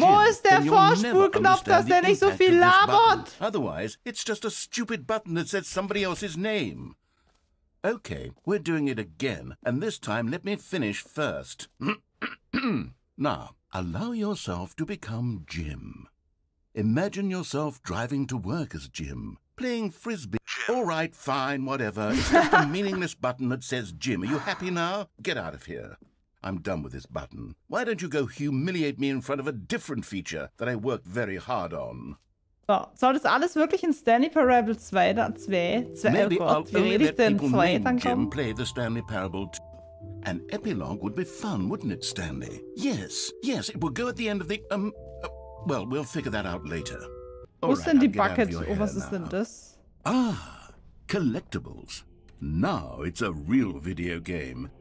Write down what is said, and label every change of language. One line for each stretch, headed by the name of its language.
German: wo ist der Vorspulknopf, dass der nicht so viel labert?
English: Otherwise, it's just a stupid button that says somebody else's name. Okay, we're doing it again, and this time let me finish first. Now, allow yourself to become Jim. Imagine yourself driving to work as Jim. Playing frisbee. Jim. All right, fine, whatever. It's just a meaningless button that says Jim. Are you happy now? Get out of here. I'm done with this button. Why don't you go humiliate me in front of a different feature that I worked very hard on?
German: So, soll das alles wirklich in Stanley Parable 2 da 2?
English: Maybe
German: oh Gott,
English: I'll
German: wie
English: only let people
German: Jim kommen?
English: Play the Stanley Parable 2. An epilogue would be fun, wouldn't it, Stanley? Yes, yes, it would go at the end of the, well, we'll figure that out later.
German: Wo ist denn die Bucket? Oh, was ist denn das?
English: Ah, collectibles. Now it's a real video game.